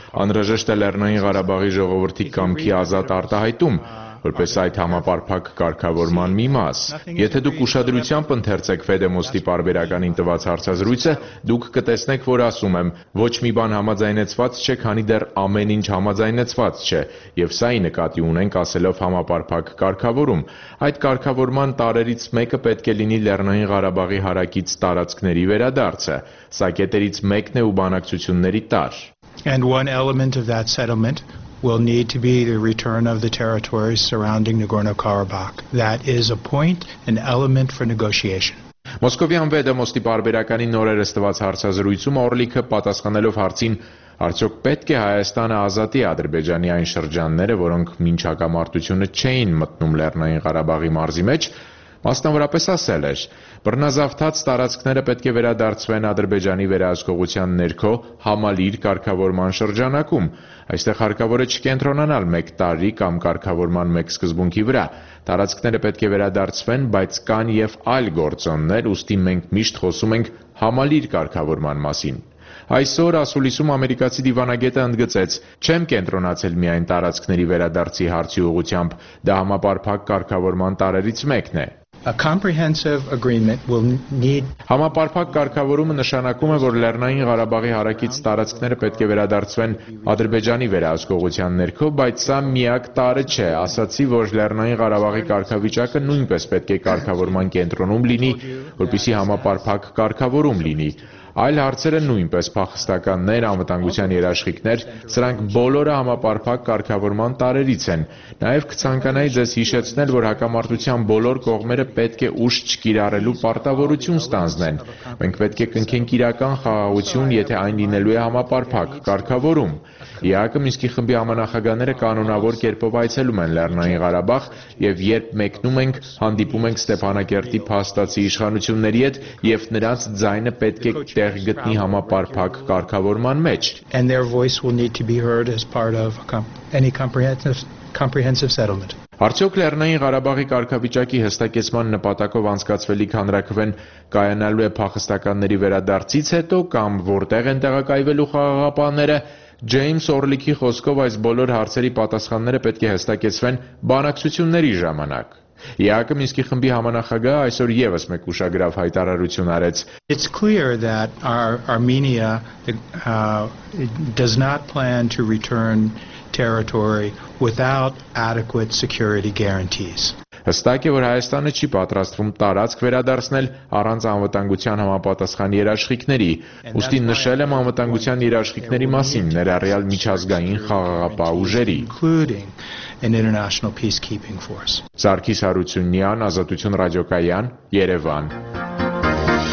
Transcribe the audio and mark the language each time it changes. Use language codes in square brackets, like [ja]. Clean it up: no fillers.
[hy] անհրաժեշտ է Լեռնային Ղարաբաղի ժողովրդի կամքի ազատ արտահայտում, որպես այդ համապարփակ կարգավորման մի մաս։ Եթե դուք ուշադրությամբ ընթերցեք Ֆեդեմոստի պարբերականին տված հարցազրույցը, դուք կտեսնեք, որ ասում եմ, ոչ մի բան համաձայնեցված չէ, քանի դեռ ամեն ինչ համաձայնեցված չէ, եւ սա ի նկատի ունենք ասելով համապարփակ կարգավորում։ Այդ կարգավորման տարերից մեկը պետք է լինի Լեռնային Ղարաբաղի հարակից տարածքների վերադարձը, սա կետերից մեկն է ու բանակցությունների տար։ [en] And one element of that settlement will need to be the return of the territories surrounding Nagorno-Karabakh. That is a point, an element for negotiation. [hy] Մոսկովյան Ֆեդեմոստի պարբերականի նորերս տված հարցազրույցում Օրլիքը պատասխանելով հարցին, արդյոք պետք է Հայաստանը ազատի Ադրբեջանի այն շրջանները, որոնք մինչ հակամարտությունը չէին մտնում Լեռնային Ղարաբաղի մարզի մեջ, մասնավորապես ասել էր. Բռնազավթած տարածքները պետք է վերադարձվեն Ադրբեջանի վերահսկողության ներքո համալիր կարգավորման շրջանակում։ Այստեղ հարկավոր է չկենտրոնանալ մեկ տարի կամ կարգավորման մեկ սկզբունքի վրա։ Տարածքները պետք է վերադարձվեն, բայց կան և այլ գործոններ, ուստի մենք միշտ խոսում ենք համալիր կարգավորման մասին։ Այսօր ասուլիսում ամերիկացի դիվանագետը ընդգծեց. «Չեմ կենտրոնացել միայն տարածքների վերադարձի հարցի ուղղությամբ, դա համապարփակ կարգավորման տարերից մեկն է»։ [en] A comprehensive agreement will need [hy] Համապարփակ կարգավորումը նշանակում է, որ Լեռնային Ղարաբաղի հարակից տարածքները պետք է վերադարձվեն Ադրբեջանի վերահսկողության ներքո, բայց սա միակ տարը չէ, ասացի, որ Լեռնային Ղարաբաղի կարգավիճակը նույնպես պետք է կարգավորման կենտրոնում լինի, որպեսզի համապարփակ կարգավորում լինի։ Այլ հարցերը նույնպես փախստականներ, անվտանգության երաշխիքներ, սրանք բոլորը համապարփակ կարգավորման տարերից են։ Նաև կցանկանայի ձեզ հիշեցնել, որ հակամարտության բոլոր կողմերը պետք է ուշ կիրառելու պարտավորություն ստանձնեն։ Մենք պետք է կնքենք իրական խաղաղություն, եթե այն լինելու է համապարփակ կարգավորում։ ԵԱՀԿ-ի Մինսկի խմբի համանախագահները կանոնավոր կերպով այցելում են Լեռնային Ղարաբաղ, եւ երբ մեկնում ենք, հանդիպում ենք Ստեփանակերտի փաստացի իշխանությունների հետ, եւ նրանց ձայնը պետք է տեղ գտնի համապարփակ կարգավորման մեջ։ [en] And their voice will need to be heard as part of any comprehensive settlement. [hy] Արդյոք Լեռնային Ղարաբաղի կարգավիճակի հստակեցման նպատակով անցկացվելիք հանրաքվեն կայանալու է փախստականների վերադարձից հետո, կամ որտեղ են տեղակայվելու խաղաղապանները, Ջեյմս Օրլիքի խոսքով այս բոլոր հարցերի պատասխանները պետք է հստակեցվեն բանակցությունների ժամանակ։ ԵԱՀԿ Մինսկի խմբի համանախագահը այսօր ևս մեկ ուշագրավ հայտարարություն արեց. [en] It's clear that Armenia does not plan to return territory without adequate security guarantees. [hy] Հստակ է, որ Հայաստանը չի պատրաստվում տարածք վերադարձնել առանց անվտանգության համապատասխան երաշխիքների, ուստի նշել եմ անվտանգության երաշխիքների մասին ներառյալ միջազգային խաղաղապահ ուժերի։ Սարգիս Հարությունյան, Ազատություն ռադիոկայան, Երևան։